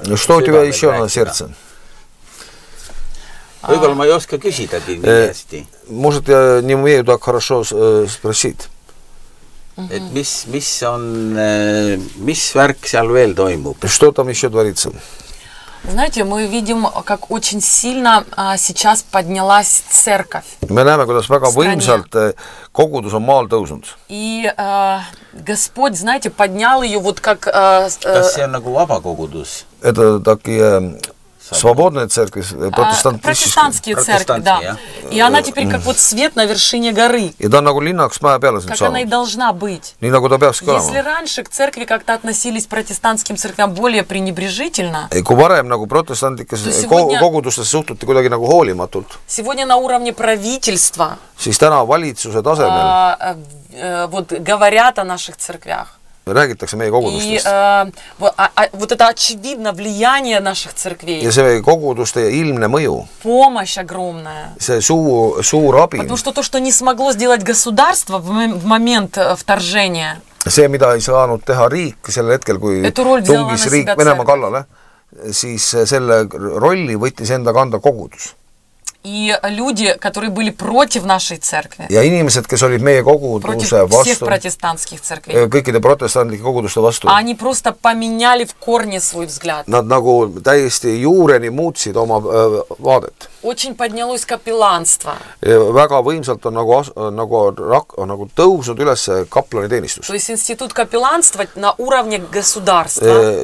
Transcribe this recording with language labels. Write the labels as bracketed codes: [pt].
[et] Stoodi või isi on sertsen? Võibolla ma ei oska küsida nii hästi. [ru] Может, я не умею так хорошо спросить. [et] Et mis on, mis värk seal veel toimub? [ru] Что там еще творится? Знаете, мы видим, как очень сильно сейчас поднялась церковь. [et] Me näeme, kuidas väga võimsalt kogudus on maal tõusnud. [ru] И Господь, знаете, поднял ее вот как... [et] Kas see on nagu vaba kogudus? [ru] Это такие свободные церкви, протестантические. Протестантские церкви, да. И она теперь как вот свет на вершине горы. [et] И да, nagu linnaks maja peale. [ru] Как она и должна быть. [et] Nii nagu ta peabki olema. [ru] Если раньше к церкви как-то относились протестантским церквям более пренебрежительно. [et] И kui varem nagu protestantikes kogudustes suhtuti kuidagi nagu hoolimatult. [ru] Сегодня на уровне правительства. [et] Siis täna valitsuse tasemel. [ru] Вот говорят о наших церквях. [et] Räägitakse meie kogudustest. [ru] Вот это очевидно влияние наших церквей. [et] Ja see koguduste ilmne mõju. [ru] Помощь огромная. [et] See suur abi. [ru] Потому что то, что не смогло сделать государство в момент вторжения. [et] See, mida ei saanud teha riik sellel hetkel, kui tungis riik Venema kallale, siis selle rolli võttis enda kanda kogudus. [ru] И люди, которые были против нашей церкви. [et] Ja inimesed, kes olid meie koguduse vastu. [ru] Против всех протестантских церквей. [et] Kõikide protestantlike koguduste vastu. [ru] Они просто поменяли в корне свой взгляд. [et] Nad nagu täiesti juureni muutsid oma vaadet. [ru] Очень поднялось капелланство. [et] Väga võimsalt on nagu tõusnud üles kaplani teenistus. [ru] То есть институт капелланства на уровне государства.